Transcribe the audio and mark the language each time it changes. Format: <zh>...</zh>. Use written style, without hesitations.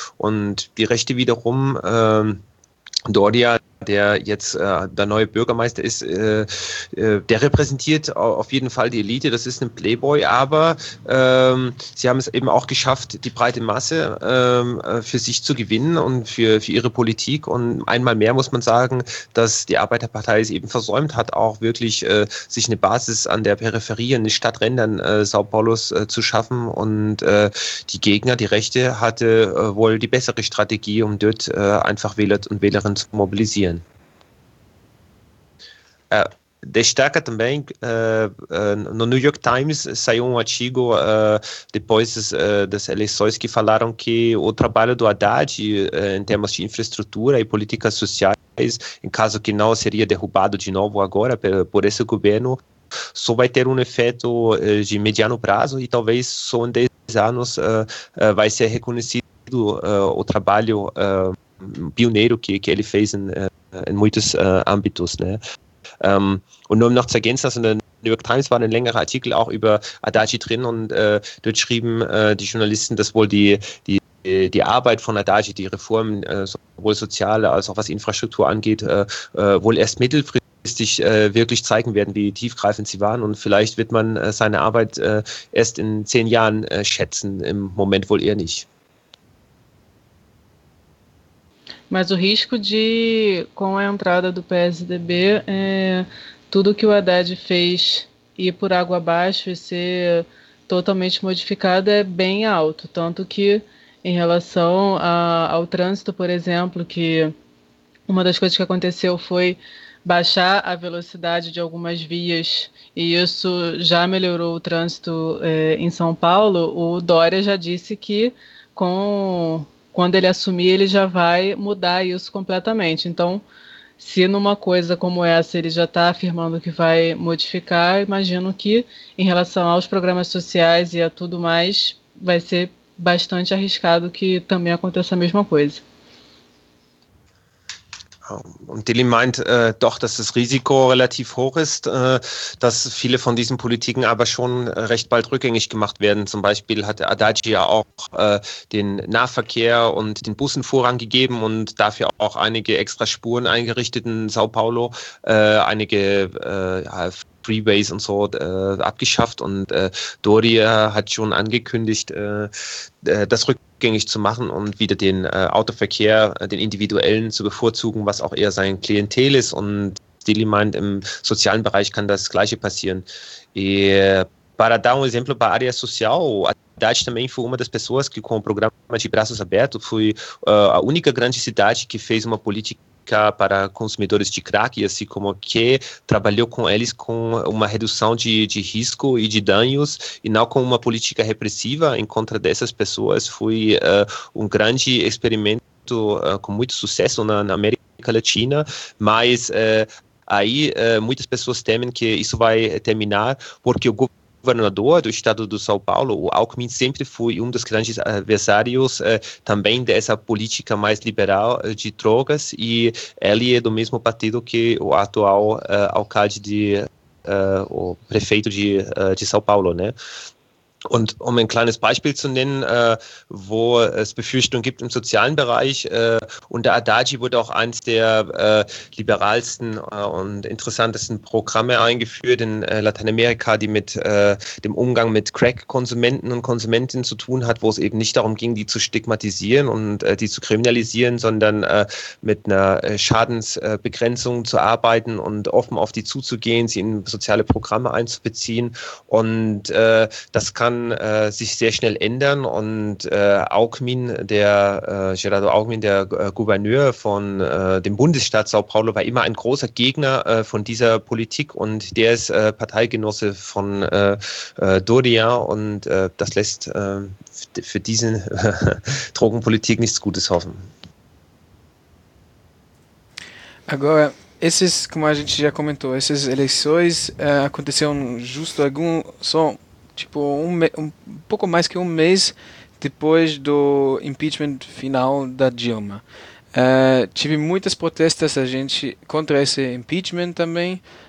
<de>Und die Rechte wiederum, Dordia, der jetzt der neue Bürgermeister ist, der repräsentiert auf jeden Fall die Elite, das ist ein Playboy, aber sie haben es eben auch geschafft, die breite Masse für sich zu gewinnen und für ihre Politik, und einmal mehr muss man sagen, dass die Arbeiterpartei es eben versäumt hat, auch wirklich sich eine Basis an der Peripherie, in den Stadträndern Sao Paulos zu schaffen, und die Gegner, die Rechte, hatte wohl die bessere Strategie, um dort einfach Wähler und Wählerinnen zu mobilisieren.</de> <pt>Destaca também no New York Times saiu um artigo depois das eleições que falaram que o trabalho do Haddad em termos de infraestrutura e políticas sociais, em caso que não seria derrubado de novo agora por esse governo, só vai ter um efeito de mediano prazo e talvez só em 10 anos vai ser reconhecido o trabalho pioneiro que ele fez in muitos âmbitos, ne?</pt> <de>Und nur um noch zu ergänzen, also in der New York Times war ein längerer Artikel auch über Adagi drin, und dort schrieben die Journalisten, dass wohl die Arbeit von Adagi, die Reformen, sowohl soziale als auch was Infrastruktur angeht, wohl erst mittelfristig wirklich zeigen werden, wie tiefgreifend sie waren, und vielleicht wird man seine Arbeit erst in 10 Jahren schätzen, im Moment wohl eher nicht.</de> <pt>Mas o risco de, com a entrada do PSDB, tudo que o Haddad fez ir por água abaixo e ser totalmente modificado é bem alto. Tanto que, em relação ao trânsito, por exemplo, que uma das coisas que aconteceu foi baixar a velocidade de algumas vias, e isso já melhorou o trânsito em São Paulo, o Dória já disse que quando ele assumir, ele já vai mudar isso completamente. Então, se numa coisa como essa ele já está afirmando que vai modificar, imagino que, em relação aos programas sociais e a tudo mais, vai ser bastante arriscado que também aconteça a mesma coisa.</pt> <de>Und Dilly meint doch, dass das Risiko relativ hoch ist, dass viele von diesen Politiken aber schon recht bald rückgängig gemacht werden. Zum Beispiel hat Adagi ja auch den Nahverkehr und den Bussen Vorrang gegeben und dafür auch einige extra Spuren eingerichtet in Sao Paulo, Freeways und so abgeschafft. Und Doria hat schon angekündigt, das rückgängig zu machen und wieder den Autoverkehr, den individuellen, zu bevorzugen, was auch eher sein Klientel ist. Und Dilly meint, im sozialen Bereich kann das Gleiche passieren.</de> <pt>E para dar exemplo para a área social, Haddad também foi uma das pessoas que, com o programa de braços abertos, foi a única grande cidade que fez uma política para consumidores de crack, e assim como que trabalhou com eles com uma redução de risco e de danos, e não com uma política repressiva em contra dessas pessoas. Foi um grande experimento com muito sucesso na América Latina, mas aí muitas pessoas temem que isso vai terminar, porque o governador do estado do São Paulo, o Alckmin, sempre foi um dos grandes adversários também dessa política mais liberal de drogas, e ele é do mesmo partido que o atual alcalde, o prefeito de São Paulo, né?</pt> <de>Und um ein kleines Beispiel zu nennen, wo es Befürchtungen gibt im sozialen Bereich, unter Adagi wurde auch eins der liberalsten und interessantesten Programme eingeführt in Lateinamerika, die mit dem Umgang mit Crack-Konsumenten und Konsumentinnen zu tun hat, wo es eben nicht darum ging, die zu stigmatisieren und die zu kriminalisieren, sondern mit einer Schadensbegrenzung zu arbeiten und offen auf die zuzugehen, sie in soziale Programme einzubeziehen. Und das kann sich sehr schnell ändern, und Gerardo Alckmin, der Gouverneur von dem Bundesstaat São Paulo, war immer ein großer Gegner von dieser Politik, und der ist Parteigenosse von Doria, und das lässt für diese Drogenpolitik nichts Gutes hoffen.</de> <pt>Agora, esses, como a gente já comentou, essas eleições aconteceram justo algum só tipo um pouco mais que um mês depois do impeachment final da Dilma. Tive muitas protestas a gente contra esse impeachment também.</pt>